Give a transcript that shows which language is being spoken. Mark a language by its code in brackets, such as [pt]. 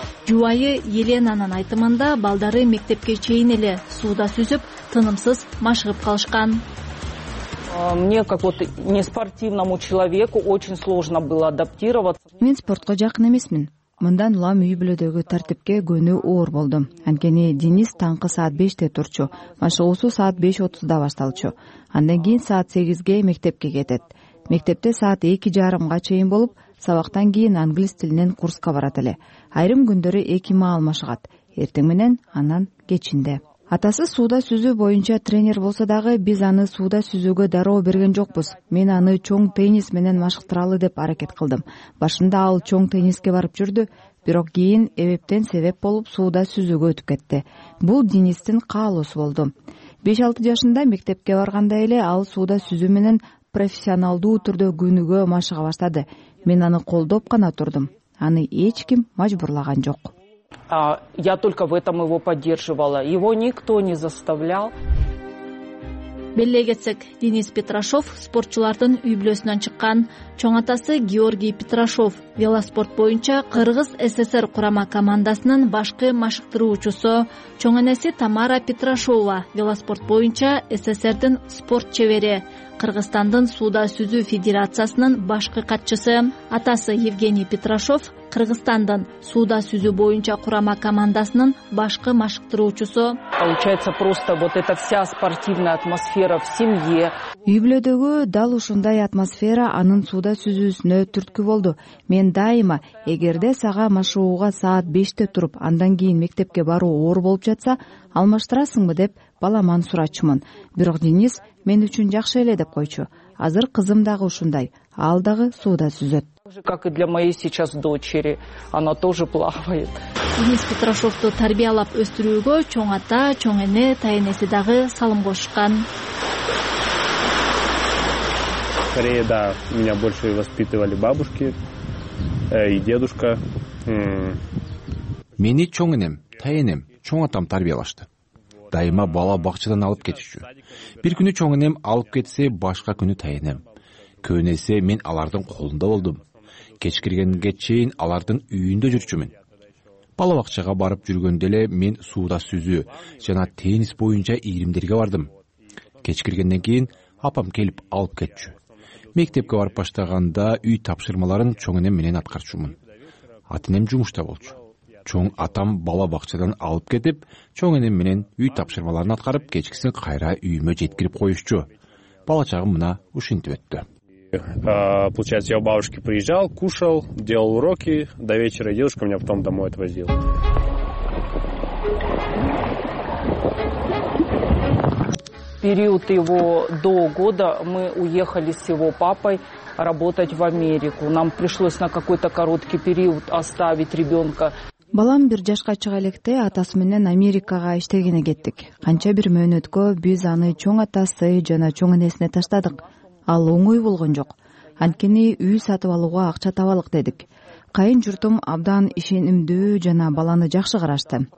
[ky] Жубайы Еленанын айтымында балдары мектепке чейин эле сууда сүзүп, тынымсыз машыгып калышкан. [ru] Мне как вот не спортивному человеку очень сложно было адаптироваться. [ky] Мен спортко жакын эмесмин. Мындан улам үй бүлөдөгү тартипке көнүү оор болду. Анткени Денис таңкы саат 5:00 турчу, машыгуусу саат 5:30 башталчу. Андан кийин саат 8:00 мектепке кетет. Мектепте саат 2:30 чейин болуп, сабактан кийин англис тилинен курска барат эле. Айрым күндөрү 2 маал машыгат. Эртең менен анан кечинде. Атасы сууда сүзүү боюнча тренер болсо дагы, биз аны сууда сүзүүгө дароо берген жокпуз. Мен аны чоң теннис менен машыктыралы деп аракет кылдым. Башында ал чоң тенниске барып жүрдү, бирок кийин эбептен себеп болуп сууда сүзүүгө өтүп кетти. Бул Денистин каалоосу болду. 5-6 жашында мектепке барганда эле ал сууда сүзүү менен профессионалдуу түрдө күнүгө машыга баштады. Мен аны колдоп гана турдум. Аны эч ким мажбурлаган жок. [ru] Я только в этом его поддерживала. Его никто не заставлял. [ky] Белле кетсек, Денис Петрашов спортчулардын үй-бүлөсүнөн чыккан, чоң атасы Георгий Петрашов велоспорт боюнча Кыргыз ССР курама командасынын башкы машыктыруучусу, чоң энеси Тамара Петрашова велоспорт боюнча СССРдин спорт чевери, Кыргызстандын сууда сүзүү федерациясынын башкы катчысы, атасы Евгений Петрашов Кыргызстандын сууда сүзүү боюнча курама командасынын башкы машыктыруучусу. [ru] Получается просто вот эта вся спортивная атмосфера в семье. [ky] Үйбүлөдөгү дал ушундай атмосфера анын сууда сүзүүсүнө түрткү болду. Мен дайыма эгерде сага машыгууга саат 5:00 туруп, андан кийин мектепке баруу оор болуп жатса, алмаштырасыңбы деп баламан сурачумун. Бирок Денис мен үчүн жакшы эле деп койчу. Азыр кызым дагы ушундай, ал дагы сууда сүзөт. [ru] Как и для моей сейчас дочери, она тоже плавает. [ky] Денис Петрашовту тарбиялап өстүрүүгө чоң ата, чоң эне, тайэнеси дагы салым кошкан. [ru] Скорее, да, меня больше воспитывали бабушки и дедушка. [ky] Мени чоң энем, тайэнем, чоң атам тарбиялашты. Дайыма бала бакчадан алып кетишчү. Бир күнү чоң энем алып кетсе, башка күнү тайэнем. Көнөсө мен алардын колунда болдум. Кеч киргенге чейин алардын үйүндө жүрчүмүн. Бала бакчага барып жүргөндө эле мен сууда сүзүү жана теннис боюнча ийримдерге бардым. Кеч киргенден кийин апам келип алып кетчү. Мектепке барып баштаганда үй тапшырмаларын чоң энем менен аткарчумун. Ата энем жумушта болчу. Чоң атам бала бакчадан алып кетип, чоң энем менен үй тапшырмаларын аткарып, кечкисин кайра үйүмө жеткирип коюшчу. Бала чагым мына ушинтип өттү. [ru] Получается, я у бабушки приезжал, кушал, делал уроки, до вечера дедушка меня потом домой отвозил. Период его до года мы уехали с его папой работать в Америку. Нам пришлось на какой-то короткий период оставить ребенка. [ky] Балам бир жашка чыга электе атасы менен Америкага иштегене кеттик. Канча бир мөөнөткө биз аны чоң атасы жана чоң энесине таштадык. Ал оңой болгон жок. Анткени үй сатып алууга акча табалык дедик. Кайын журтум абдан ишенимдүү жана баланы жакшы карашты.